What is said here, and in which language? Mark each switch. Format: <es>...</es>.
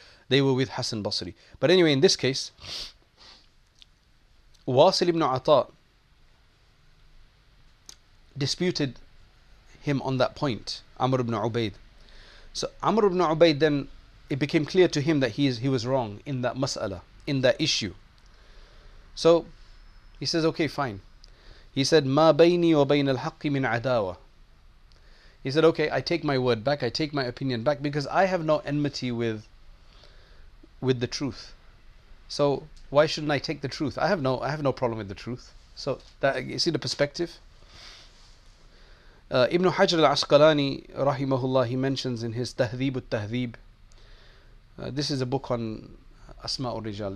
<en>They were with Hassan Basri. But anyway, in this case, Wasil ibn Ata disputed him on that point, Amr ibn Ubaid. So Amr ibn Ubaid, then it became clear to him that he was wrong in that mas'ala, in that issue. So he says, okay, fine. He said,</en> <ar>ما بيني وبين الحق من عداوة.</ar> <en>He said, okay, I take my word back, I take my opinion back, because I have no enmity with the truth. So why shouldn't I take the truth? I have no problem with the truth. So that, you see the perspective? Ibn Hajar al-Asqalani, rahimahullah, he mentions in his Tahdhib al-Tahdhib, this is a book on Asma'ur Rijal.</en>